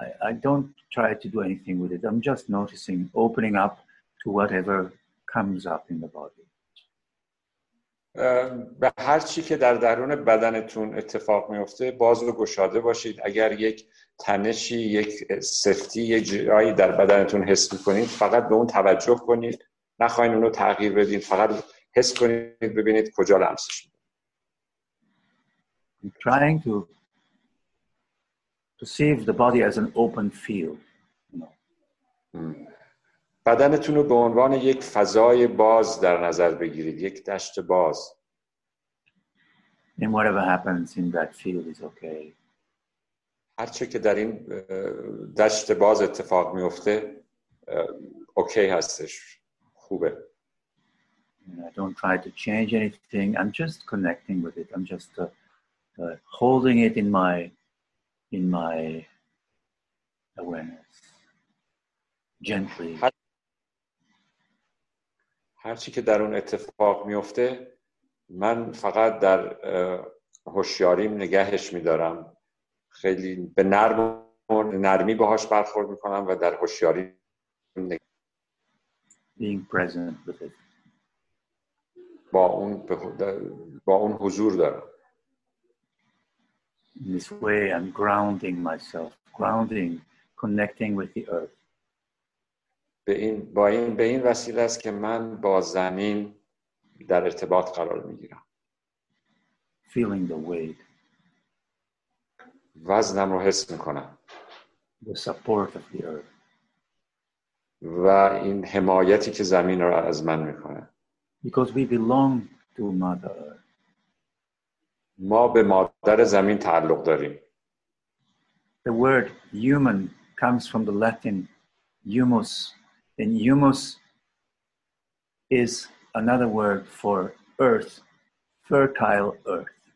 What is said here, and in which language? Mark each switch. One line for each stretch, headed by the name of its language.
English: I don't try to do anything with it. I'm just noticing, opening up to whatever comes up in the body.
Persian: به هر چی که در درون بدنتون اتفاق میفته باز و گشاده باشید. اگر یک تنشی، یک سفتی، یک جایی در بدنتون حس میکنید، فقط به اون توجه کنید، نخواهید اونو تغییر بدید، فقط حس کنید، ببینید کجا لمسش میکنید.
English: I'm trying to perceive the body as an open field.
Persian: بدنتون رو به عنوان یک فضای باز در نظر بگیرید، یک دشت باز.
English: And whatever happens in that field is okay.
Persian: هر چه که در این دشت باز اتفاق میفته اوکی هستش، خوبه.
English: I don't try to change anything. I'm just connecting with it. I'm just holding it in my awareness. Gently.
Persian: هر چی که در اون اتفاق میفته من فقط در هوشیاریم نگهش میدارم، خیلی به نرمی باهاش برخورد میکنم و در هوشیاری
English: being present with it.
Persian: با اون حضور دارم.
English: In this way I'm grounding myself, grounding, connecting with the earth.
Persian: به این وسیله است که من با زمین در ارتباط قرار میگیرم.
English: Feeling the weight.
Persian: وزنم رو حس میکنم.
English: The support of the earth.
Persian: و این حمایتی که زمین رو از من میکنه.
English: Because we belong to Mother Earth.
Persian: ما به مادر زمین تعلق داریم.
English: The word human comes from the Latin humus. And humus is another word for earth, fertile earth.